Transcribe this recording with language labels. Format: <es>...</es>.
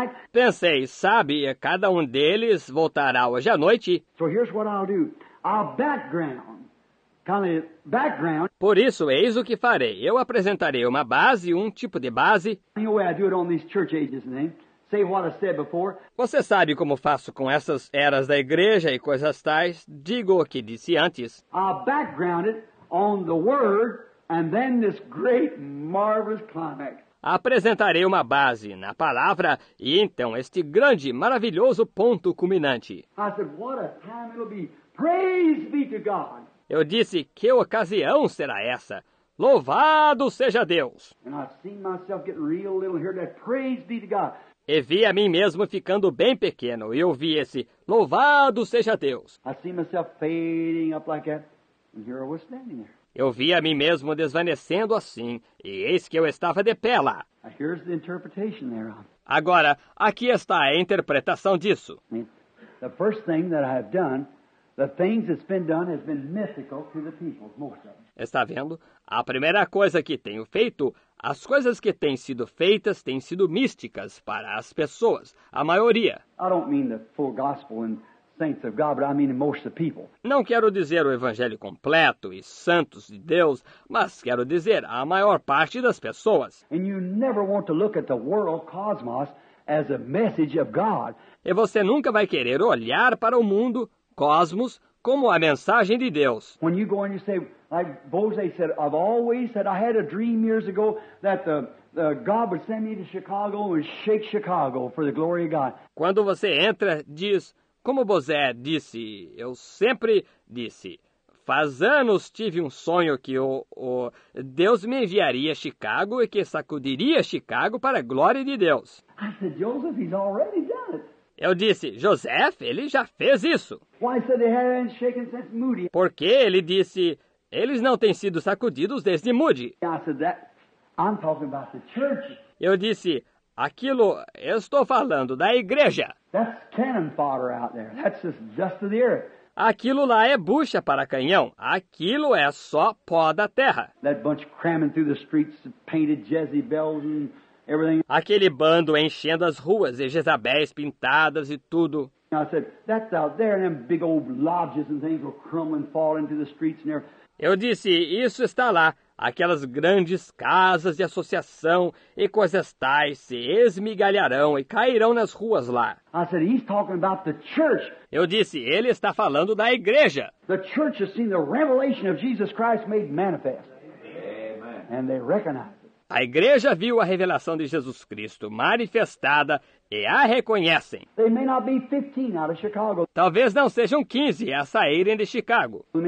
<pt>Pensei, sabe, cada um deles voltará hoje à noite.</pt> <en>So here's what I'll do. I'll background kind of background.</en> <pt>Por isso, eis o que farei. Eu apresentarei uma base, um tipo de base.</pt> <en>Anyway, I do it on these church ages, né? Say what I said before.</en> <pt>Você sabe como faço com essas eras da igreja e coisas tais? Digo o que disse antes.</pt> <en>I'll background it on the word and then this great marvelous climax.</en> <pt>Apresentarei uma base na palavra e então este grande, maravilhoso ponto culminante.</pt> <en>I said, what a time it'll be. Praise be to God.</en> <pt>Eu disse, que ocasião será essa? Louvado seja Deus!</pt> <en>And I've seen myself getting real little here, that praise be to God.</en> <pt>E vi a mim mesmo ficando bem pequeno e ouvi esse, louvado seja Deus!</pt> <en>I see myself fading up like that, and here I was standing there.</en> <pt>Eu vi a mim mesmo desvanecendo assim, e eis que eu estava de pé lá.</pt> <en>Here's the interpretation there.</en> <pt>Agora, aqui está a interpretação disso.</pt> <en>The first thing that I have done, the things that's been done has been mythical to the people, most of them.</en> <pt>Está vendo? A primeira coisa que tenho feito, as coisas que têm sido feitas têm sido místicas para as pessoas, a maioria.</pt> <en>I don't mean the full gospel and saints of God, but I mean most of the people.</en> <pt>Não quero dizer o evangelho completo e santos de Deus, mas quero dizer a maior parte das pessoas.</pt> <en>And you never want to look at the world cosmos as a message of God.</en> <pt>E você nunca vai querer olhar para o mundo cosmos como a mensagem de Deus.</pt> <en>When you go and you say, like Bose said, I've always said I had a dream years ago that the God would send me to Chicago and shake Chicago for the glory of God.</en> <pt>Quando você entra, diz, como Bozé disse, eu sempre disse, faz anos tive um sonho que o Deus me enviaria a Chicago e que sacudiria Chicago para a glória de Deus.</pt> <en>I said, Joseph, he's already done it.</en> <pt>Eu disse, Joseph, ele já fez isso.</pt> <en>Why, so they haven't shaken since Moody?</en> <pt>Porque ele disse, eles não têm sido sacudidos desde Moody.</pt> <en>I said, I'm talking about the church.</en> <pt>Eu disse, aquilo, eu estou falando da igreja.</pt> <en>That's cannon fodder out there. That's just dust of the earth.</en> <pt>Aquilo lá é bucha para canhão. Aquilo é só pó da terra.</pt> <en>That bunch cramming through the streets, painted Jezebels and everything.</en> <pt>Aquele bando enchendo as ruas e Jezabéis pintadas e tudo.</pt> <en>I said, that's out there, and them big old lodges and things will crumble and fall into the streets and everything.</en> <pt>Eu disse, isso está lá. Aquelas grandes casas de associação e coisas tais se esmigalharão e cairão nas ruas lá.</pt> <en>I said, he's talking about the church.</en> <pt>Eu disse, ele está falando da igreja.</pt> <en>The church has seen the revelation of Jesus Christ made manifest. Amen. And they recognize it.</en> <pt>A igreja viu a revelação de Jesus Cristo manifestada e a reconhecem. They may not be 15 out of Chicago. Talvez não sejam 15 a saírem de Chicago.</pt>